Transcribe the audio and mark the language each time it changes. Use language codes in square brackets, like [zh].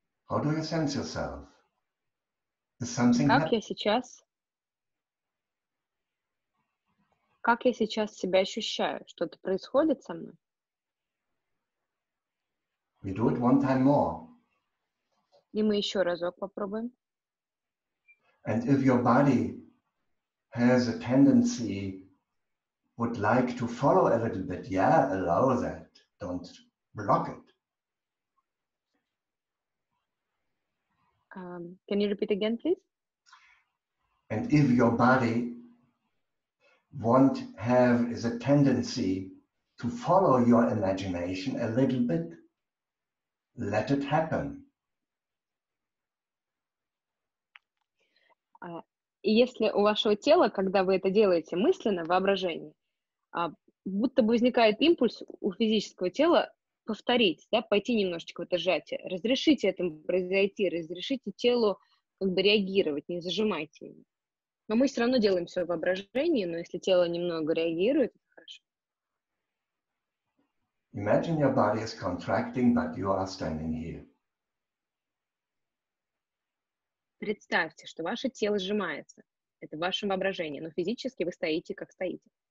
[en] How do you sense yourself? Is something [ru] как я сейчас? Как я сейчас себя ощущаю? Что-то происходит со мной? [en] We do it one time more. [ru] И мы еще разок попробуем. [en] And if your body has a tendency, would like to follow a little bit, yeah, allow that, don't block it. Can you repeat again, please? And if your body won't have is a tendency to follow your imagination a little bit, let it happen. [ru] И если у вашего тела, когда вы это делаете мысленно, в воображении, будто бы возникает импульс у физического тела повторить, да, пойти немножечко в это сжатие, разрешите этому произойти, разрешите телу как бы реагировать, не зажимайте его. Но мы все равно делаем все в воображении, но если тело немного реагирует, это хорошо. [en] Imagine your body is contracting, but you are standing here. [ru] Представьте, что ваше тело сжимается. Это ваше воображение, но физически вы стоите, как стоите.